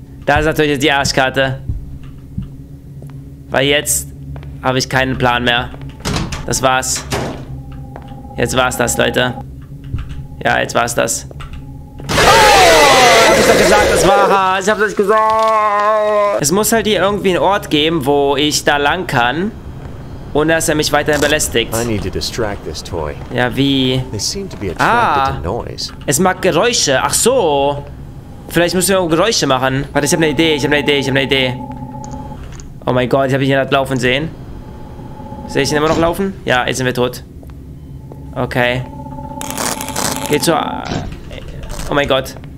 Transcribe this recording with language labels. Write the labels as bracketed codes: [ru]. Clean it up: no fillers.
[de] Da ist natürlich die Arschkarte. Weil jetzt habe ich keinen Plan mehr. Das war's. Jetzt war's das, Leute. Ja, jetzt war's das. Oh, hab ich doch gesagt, das war hart. Ich hab's euch gesagt. Es muss halt hier irgendwie einen Ort geben, wo ich da lang kann. Ohne dass er mich weiterhin belästigt. [en] I need to distract this toy. [de] Ja, wie? [en] They seem to be attracted to noise. [de] Es mag Geräusche. Ach so. Vielleicht müssen wir auch Geräusche machen. Warte, ich habe eine Idee. Oh mein Gott, ich habe ihn gerade laufen sehen. Sehe ich ihn immer noch laufen? Ja, jetzt sind wir tot. Okay. Geht zu. Oh mein Gott.